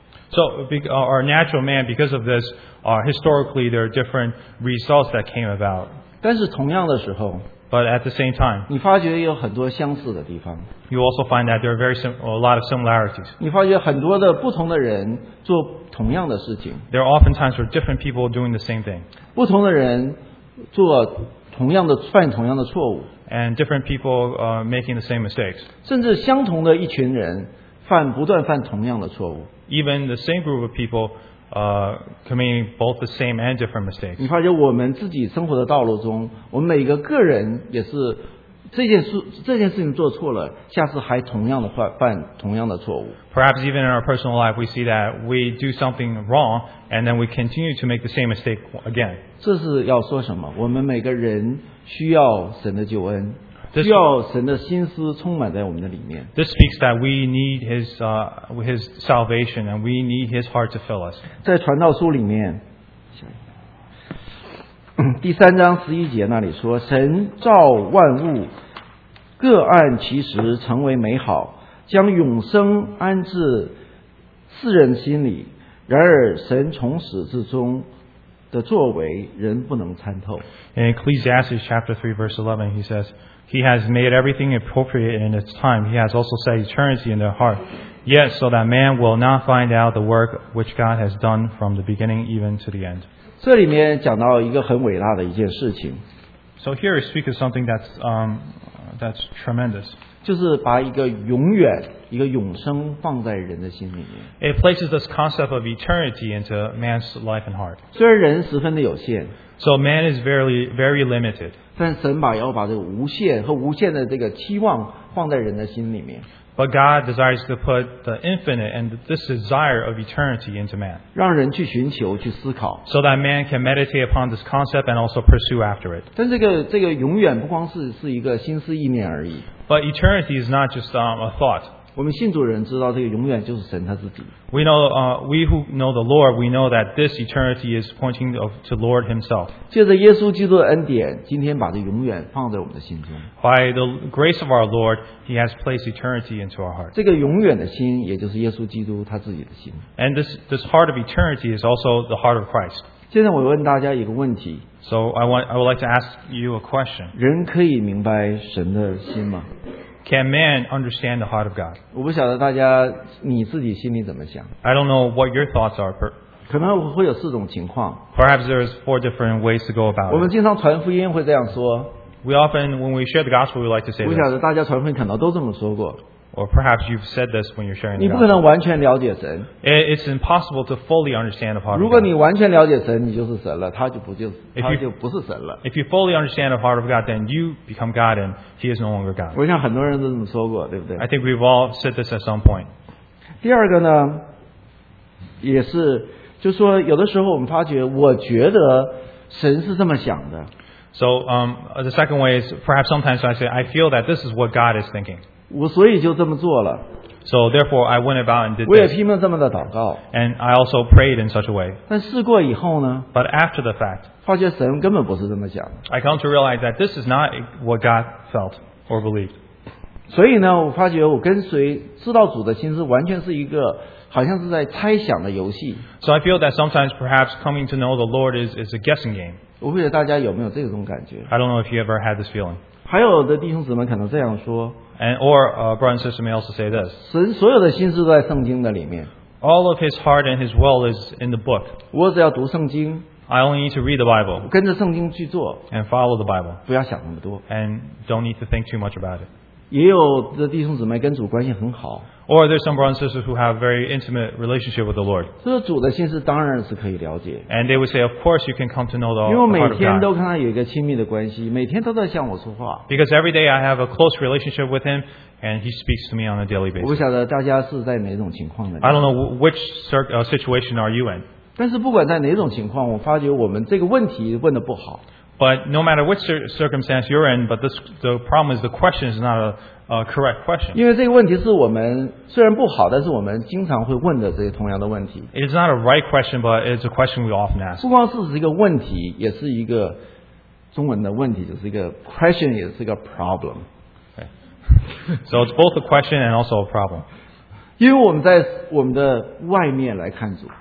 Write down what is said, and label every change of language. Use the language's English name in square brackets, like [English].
[English] So our natural man, because of this, historically there are different results that came about. [Chinese] 但是同样的时候， [English] but at the same time, [Chinese] 你发觉有很多相似的地方。 [English] You also find that there are a lot of similarities. [Chinese] 你发觉很多的不同的人做同样的事情。 [English] There are oftentimes for different people doing the same thing. [Chinese] 不同的人做同样的犯同样的错误。 [English] And different people making the same mistakes. [Chinese] 甚至相同的一群人不断犯同样的错误。 [English] Even the same group of people committing both the same and different mistakes. [Chinese] 你发觉我们自己生活的道路中，我们每个人也是这件事情做错了，下次还同样的犯同样的错误。 [English] Perhaps even in our personal life, we see that we do something wrong, and then we continue to make the same mistake again. [Chinese] 这是要说什么？我们每个人需要神的救恩，需要神的心思充满在我们的里面。 [English] This speaks that we need his salvation, and we need his heart to fill us. [Chinese] 在传道书里面，第三章十一节那里说，神造万物，各按其时成为美好，将永生安置世人心里。然而神从始至终的作为，人不能参透。 [English] In Ecclesiastes chapter 3 verse 11, he says, He has made everything appropriate in its time. He has also set eternity in their heart. Yet so that man will not find out the work which God has done from the beginning even to the end. [Chinese] 这里面讲到一个很伟大的一件事情。 [English] So here we speak of something that's tremendous. [Chinese] 就是把一个永远，一个永生放在人的心里面。 [English] It places this concept of eternity into man's life and heart. [Chinese] 虽然人十分的有限。 [English] So man is very, very limited. [Chinese] 但神要把这个无限和无限的这个期望放在人的心里面。 [English] But God desires to put the infinite and this desire of eternity into man. [Chinese] 让人去寻求，去思考。 [English] So that man can meditate upon this concept and also pursue after it. [Chinese] 但这个永远不光是一个心思意念而已。 [English] But eternity is not just a thought. [Chinese] 我们信主人知道这个永远就是神他自己。 [English] We know, we who know the Lord, we know that this eternity is pointing to the Lord himself. [Chinese] 借着耶稣基督的恩典，今天把这永远放在我们的心中。 [English] By the grace of our Lord, he has placed eternity into our heart. [Chinese] 这个永远的心也就是耶稣基督他自己的心。 [English] And this heart of eternity is also the heart of Christ. [Chinese] 现在我问大家一个问题。 [English] So I would like to ask you a question. [Chinese] 人可以明白神的心吗？ [English] Can man understand the heart of God? [Chinese] 我不晓得大家你自己心里怎么想。 [English] I don't know what your thoughts are. [Chinese] 可能会有四种情况。 [English] Perhaps there is four different ways to go about it. [Chinese] 我们经常传福音会这样说。 [English] We often, when we share the gospel, we like to say this. [Chinese] 我不晓得大家传福音可能都这么说过。 [English] Or perhaps you've said this when you're sharing the gospel. [Chinese] 你不可能完全了解神。 [English] It's impossible to fully understand the heart of God. [Chinese] 如果你完全了解神，你就是神了，他就不是神了。 [English] If you fully understand the heart of God, then you become God and He is no longer God. [Chinese] 我想很多人都这么说过，对不对？ [English] I think we've all said this at some point. [Chinese] 第二个呢，也是，就说有的时候我们发觉，我觉得神是这么想的。 [English] So the second way is perhaps sometimes I say I feel that this is what God is thinking. [Chinese] 我所以就这么做了。 [English] So therefore I went about and did this. [Chinese] 我也拼命这么的祷告。 [English] And I also prayed in such a way. [Chinese] 但试过以后呢, [English] But after the fact, [Chinese] 发觉神根本不是这么想。 [English] I come to realize that this is not what God felt or believed. [Chinese] 所以呢, 我发觉我跟随, 知道主的心是完全是一个, 好像是在猜想的游戏。 [English] So I feel that sometimes perhaps coming to know the Lord is a guessing game. [Chinese] 我不知道大家有没有这种感觉。 [English] I don't know if you ever had this feeling. [Chinese] 还有的弟兄姊妹可能这样说, [English] And or brother and sister may also say this. [Chinese] 神所有的心思都在圣经的里面。 [English] All of his heart and his will is in the book. [Chinese] 我只要读圣经。 [English] I only need to read the Bible. [Chinese] 跟着圣经去做。 [English] And follow the Bible. [Chinese] 不要想那么多。 [English] And don't need to think too much about it. [Chinese] 也有的弟兄姊妹跟主关系很好。 [English] Or there's some brothers and sisters who have a very intimate relationship with the Lord. And they would say, of course, you can come to know the heart of God. Because every day I have a close relationship with Him, and He speaks to me on a daily basis. I don't know which situation are you in. [Chinese] 但是不管在哪种情况，我发觉我们这个问题问的不好。 [English] But no matter which circumstance you're in, but the problem is the question is not a correct question. [Chinese] 因为这个问题是我们虽然不好，但是我们经常会问的这些同样的问题。 [English] It is not a right question, but it's a question we often ask. [Chinese] 不光是一个问题，也是一个中文的问题，就是一个 question， 也是一个 problem. [English] So it's both a question and also a problem. [Chinese] 因为我们在我们的外面来看主。